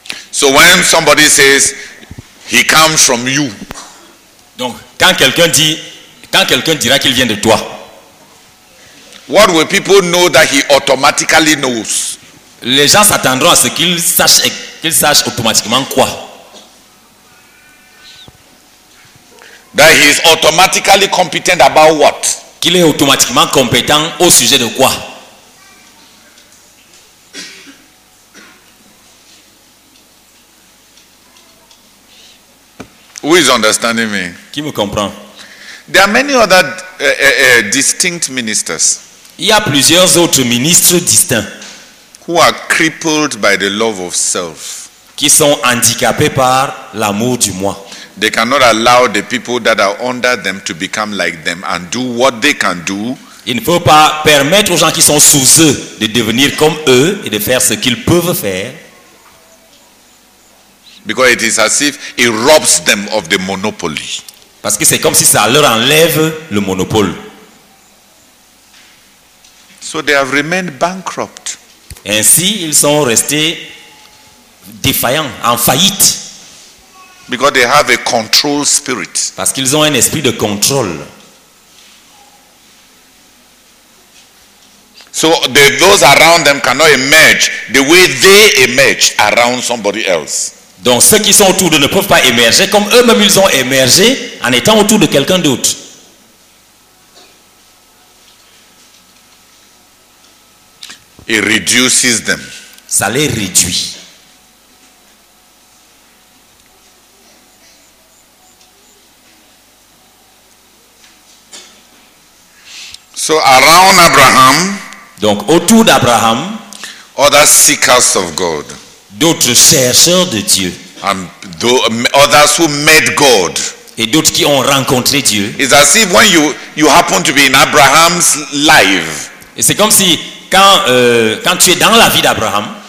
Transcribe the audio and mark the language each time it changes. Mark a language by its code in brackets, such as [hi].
[en] So when somebody says he comes from you. [fr] Donc quand quelqu'un dira qu'il vient de toi. [en] What will people know that he automatically knows? [fr] Les gens s'attendront à ce qu'ils sachent automatiquement quoi? [en] That he is automatically competent about what? [fr] Qu'il est automatiquement compétent au sujet de quoi? [en] Who is understanding me? [fr] Qui me comprend? [en] There are many other distinct ministers. [fr] Il y a plusieurs autres ministres distincts. [en] Who are crippled by the love of self. [fr] Qui sont handicapés par l'amour du moi. [en] They cannot allow the people that are under them to become like them and do what they can do. [fr] Il ne peut pas permettre aux gens qui sont sous eux de devenir comme eux et de faire ce qu'ils peuvent faire. [en] Because it is as if it robs them of the monopoly. [fr] Parce que c'est comme si ça leur enlève le monopole. [en] So they have remained bankrupt. [fr] Ainsi, ils sont restés défaillants, en faillite. [en] Because they have a control spirit. [fr] Parce qu'ils ont un esprit de contrôle. [en] So those around them cannot emerge the way they emerge around somebody else. [fr] Donc ceux qui sont autour d'eux ne peuvent pas émerger comme eux-mêmes ils ont émergé en étant autour de quelqu'un d'autre. [en] It reduces them. [fr] Ça les réduit. [en] So around Abraham, [fr] donc autour d'Abraham, [en] other seekers of God, [fr] d'autres chercheurs de Dieu, [en] and others who met God, [fr] et d'autres qui ont rencontré Dieu. [en] It's as if when you happen to be in Abraham's life, [fr] et c'est comme si quand tu es dans la vie d'Abraham,